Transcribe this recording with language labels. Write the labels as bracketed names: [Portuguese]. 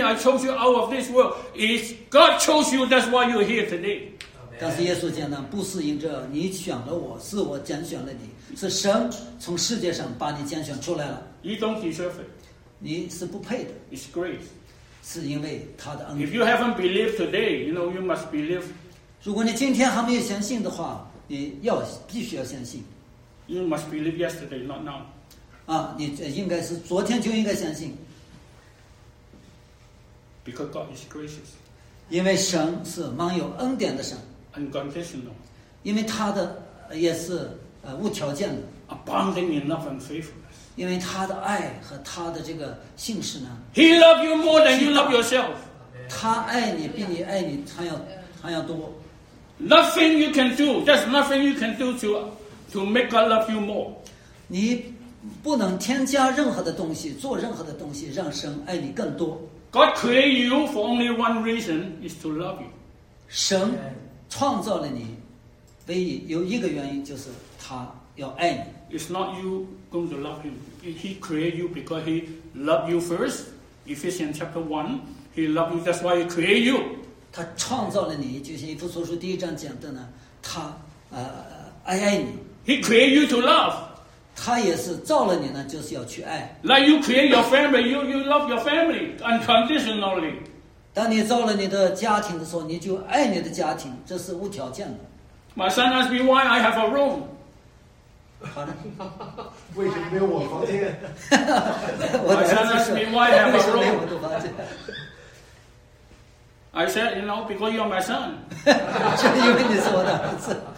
[English] I chose you out of this world. It's God chose you. That's why you're here today. [Chinese] 但是耶稣讲呢，不是因着你选了我，是我拣选了你，是神从世界上把你拣选出来了。 [English] You don't deserve it. [Chinese] 你是不配的。 [English] It's grace. [Chinese] 是因为他的恩。 [English] If you haven't believed today, you know, you must believe. [Chinese] 如果你今天还没有相信的话，你要必须要相信。 [English] You must believe yesterday, not now. [Chinese] 你应该是昨天就应该相信。 [English] Because God is gracious. [Chinese] 因为神是满有恩典的神。 [English] Unconditional. [Chinese] 因为他的也是无条件的。 [English] Abounding in love and faithfulness. [Chinese] 因为他的爱和他的这个信实呢。 [English] He loves you more than you love yourself. [Chinese] 他爱你比你爱你他要多。 [English] Nothing you can do. There's nothing you can do to. To make God love you more, [Chinese] 你不能添加任何的东西，做任何的东西让神爱你更多。 [English] God created you for only one reason, is to love you. [Chinese] 神创造了你，唯一有一个原因就是他要爱你。 [English] It's not you going to love him. He created you because he loved you first. Ephesians chapter 1, he loved you. That's why he created you. [Chinese] 他创造了你，就像以弗所书第一章讲的呢，他爱你。 [English] He created you to love. [Chinese] 他也是造了你呢，就是要去爱。 [English] Like you create your family, you love your family unconditionally. [Chinese] 当你造了你的家庭的时候，你就爱你的家庭，这是无条件的。 [English] My son asked me why I have a room. [Chinese] 为什么没有我房间？ [English] My son asked me why I have a room. [Chinese] 为什么没有我的房间？ [English] I said, you know, because you're my son. [Chinese] 就因为你是我的儿子。